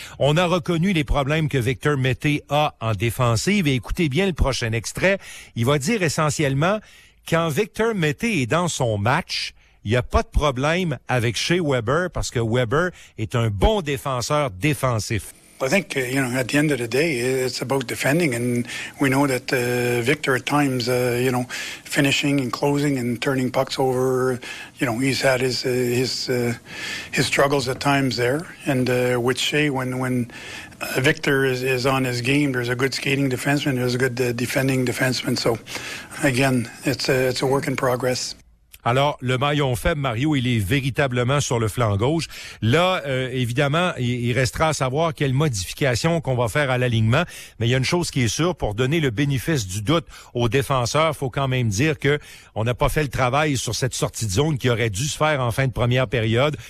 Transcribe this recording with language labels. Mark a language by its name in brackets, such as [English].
[French] On a reconnu les problèmes que Victor Mété a en défensive et écoutez bien le prochain extrait. Il va dire essentiellement, quand Victor Mété est dans son match, il n'y a pas de problème avec Shea Weber parce que Weber est un bon défenseur défensif. [English] I think, you know, at the end of the day, it's about defending, and we know that Victor at times, you know, finishing and closing and turning pucks over, you know, he's had his struggles at times there. And with Shea, when Victor is on his game, there's a good skating defenseman, there's a good defending defenseman. So, again, it's a work in progress. [French] Alors, le maillon faible, Mario, il est véritablement sur le flanc gauche. Là, évidemment, il restera à savoir quelles modifications qu'on va faire à l'alignement. Mais il y a une chose qui est sûre, pour donner le bénéfice du doute aux défenseurs, faut quand même dire que on n'a pas fait le travail sur cette sortie de zone qui aurait dû se faire en fin de première période.